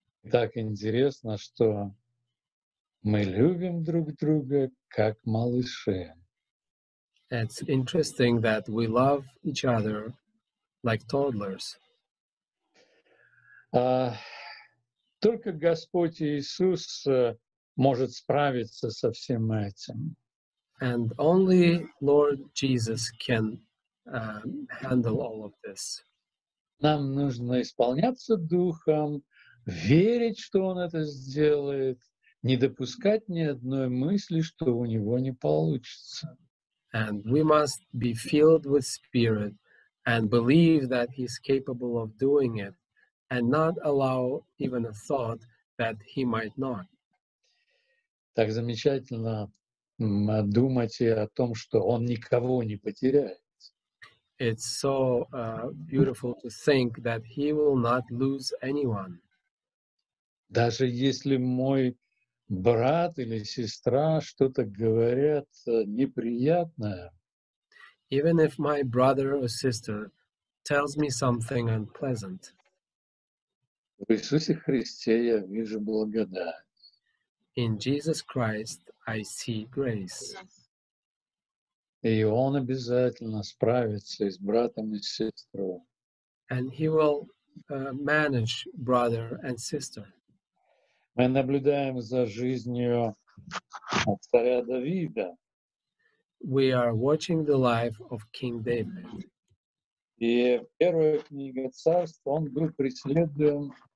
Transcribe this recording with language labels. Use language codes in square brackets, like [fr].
[ru] Так интересно, что мы любим друг друга как малыши. [en] It's interesting that we love each other like toddlers. [ru] Только Господь Иисус может справиться со всем этим. [en] And only Lord Jesus can handle all of this. [ru] Нам нужно исполняться Духом, верить, что Он это сделает, не допускать ни одной мысли, что у Него не получится. [en] And we must be filled with Spirit and believe that He's capable of doing it. And not allow even a thought that he might not. [ru] Так замечательно думать о том, что он никого не потеряет. [en] It's so beautiful to think that he will not lose anyone. [ru] Даже если мой брат или сестра что-то говорят неприятное. [en] Even if my brother or sister tells me something unpleasant. [ru] В Иисусе Христе я вижу благодать. [en] In Jesus Christ I see grace. [ru] И Он обязательно справится с братом и сестрой. [en] And He will manage brother and sister. [ru] Мы наблюдаем за жизнью царя Давида. [en] We are watching the life of King David. [ru] И в первой книге царств он был преследуем.